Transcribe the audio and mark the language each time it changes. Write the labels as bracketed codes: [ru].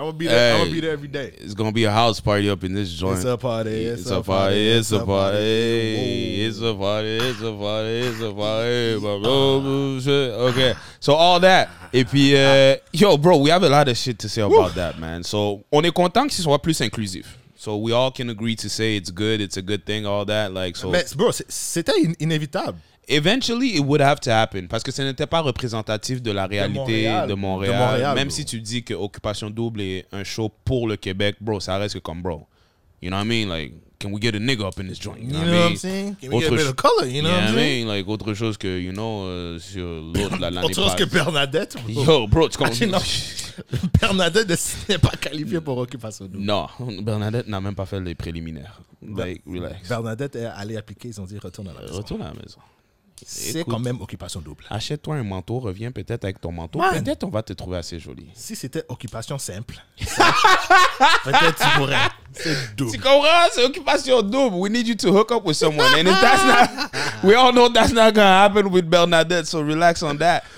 [en] I'm gonna be there. I'm gonna be there every day. It's gonna be a house party up in this joint. It's a party. It's a party. It's a party. It's a party. It's a party. It's a party. Okay. So all that. Et puis, yo, bro, we have a lot of shit to say about that, man. [fr] So on est content que ce soit plus inclusif. [en] So we all can agree to say it's good. It's a good thing. All that, like, so. [fr] Mais bro, c'était inévitable. [en] Eventually, it would have to happen [fr] parce que ce n'était pas représentatif de la réalité de Montréal. Même Si tu dis que Occupation Double est un show pour le Québec, bro, ça reste comme bro. [en] You know what I mean? Like, can we get a nigga up in this joint? You know what I'm saying? Can we get a bit of color? You know what I mean? [fr] Like, autre chose que, [en] you know, [fr] sur l'autre, la l'année autre chose que Bernadette, bro. [en] Yo, bro, [fr] tu comprends? Bernadette n'est pas qualifié pour Occupation Double. Non, Bernadette n'a même pas fait les préliminaires. Like, relax. Bernadette est allée appliquer, ils ont dit retourne à la maison. Retourne à la maison. C'est écoute, quand même Occupation Double. Achète-toi un manteau, reviens peut-être avec ton manteau. Man. Peut-être on va te trouver assez joli. Si c'était Occupation Simple, peut-être tu pourrais. C'est double. Tu comprends? C'est Occupation Double. [en] We need you to hook up with someone. And if that's not... We all know that's not going to happen with Bernadette, so relax on that.